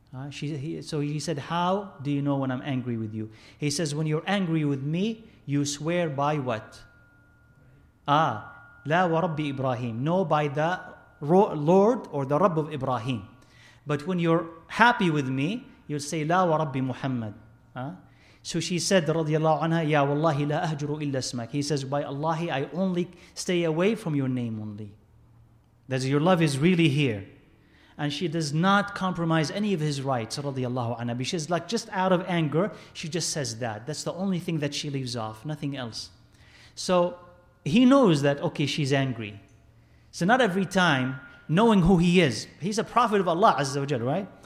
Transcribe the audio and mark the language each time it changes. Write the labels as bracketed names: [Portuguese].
[English] He said, how do you know when I'm angry with you? He says, when you're angry with me, you swear by what? [Arabic] لا ورَبِّ إِبْرَاهِيمِ. [English] No, by the Lord or the Rabb of Ibrahim. But when you're happy with me, you'll say, [Arabic] لا ورَبِّ [English] Muhammad. So she said, [Arabic] رضي الله عنها, يا والله لا أهجر إلا اسمك. [English] He says, by Allah, I only stay away from your name only. That your love is really here. And she does not compromise any of his rights, radiallahu anha. She's like, just out of anger, she just says that. That's the only thing that she leaves off, nothing else. So he knows that, okay, she's angry. So not every time, knowing who he is, he's a prophet of Allah, Azza wa Jal, right?